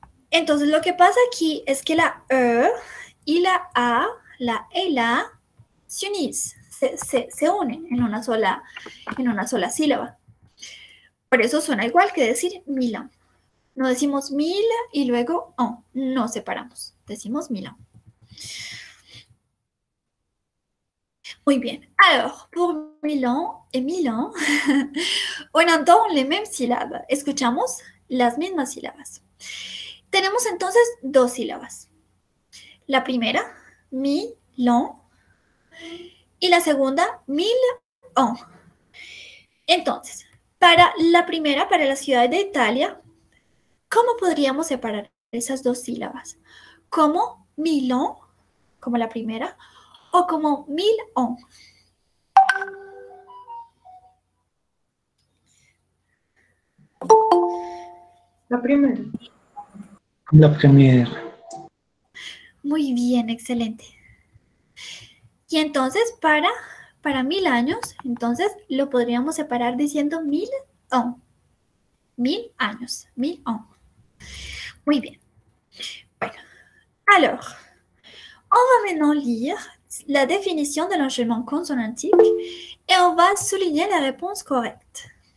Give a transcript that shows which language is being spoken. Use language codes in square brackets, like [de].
[es] Entonces lo que pasa aquí es que la e y la a, la e y la a, se unen en una sola sílaba. Por eso suena igual que decir milan. No decimos mil y luego on, no separamos. Decimos milan. Muy bien. [fr] Alors, pour Milan et Milan, on entend les mêmes syllabes. [es] Escuchamos las mismas sílabas. Tenemos entonces dos sílabas. La primera, Milan, y la segunda, Milan. Entonces, para la primera, para la ciudad de Italia, ¿cómo podríamos separar esas dos sílabas? Como Milan, como la primera, o como mil on. La primera. Muy bien, excelente. Y entonces para mil años, entonces lo podríamos separar diciendo mil on. Mil años, mil on. Muy bien. [fr] Bueno, alors, on va maintenant lire la définition de l'enchaînement consonantique et on va souligner la réponse correcte.